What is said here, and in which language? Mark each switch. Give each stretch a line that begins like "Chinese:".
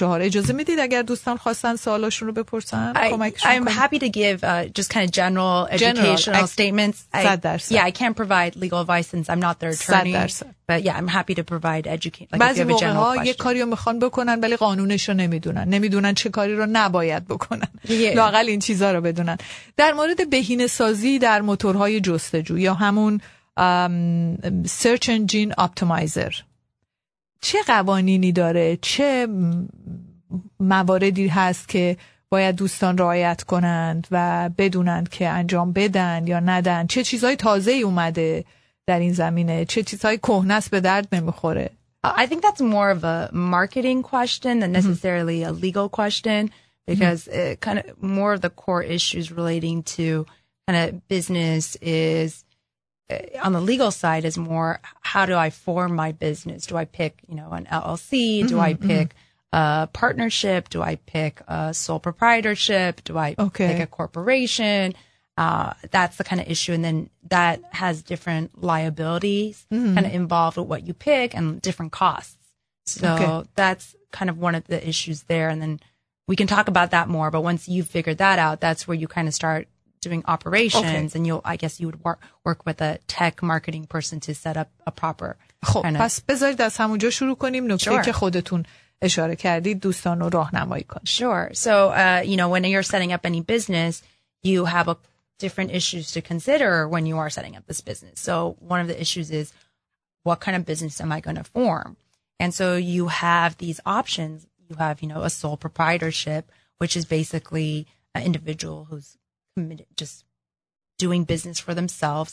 Persian: اجازه میدید اگر دوستان خواستن سوالاشون رو بپرسن کمکشون
English: کنید؟ I'm happy to give just kind of general educational statements. 100%. Yeah, I can't provide legal advice since I'm not their attorney. But yeah, I'm happy to provide educate.
Persian: بعضی موقع ها یه کاری رو میخوان بکنن ولی قانونش رو نمیدونن. نمیدونن چه کاری رو نباید بکنن. لااقل این چیزا رو بدونن. در مورد بهینه سازی در موتورهای جستجو یا همون search engine optimizer، چه قوانینی داره؟ چه مواردی هست که باید دوستان رعایت کنند و بدونند که انجام بدن یا ندن؟ چه چیزای تازه اومده در این زمینه؟ چه چیزای کهنه است به درد نمیخوره؟
English: I think that's more of a marketing question than necessarily a legal question, because kind of more of the core issues relating to kind of business is on the legal side is more how do I form my business? Do I pick, you know, an LLC? Do I pick a partnership? Do I pick a sole proprietorship? Do I pick a corporation? That's the kind of issue. And then that has different liabilities kind of involved with what you pick and different costs. So that's kind of one of the issues there. And then we can talk about that more. But once you've figured that out, that's where you kind of start doing operations. Okay. And you'll, I guess you would work with a tech marketing person to set up a proper. خب kind of...
Persian: پس بذارید از همونجا شروع کنیم.
English: نکته sure.
Persian: که خودتون اشاره کردید دوستان رو راهنمایی کنید.
English: Sure. So, you know, when you're setting up any business, you have a different issues to consider when you are setting up this business. So one of the issues is, what kind of business am I going to form? And so you have these options. You have, you know, a sole proprietorship, which is basically an individual who's committed, just doing business for themselves.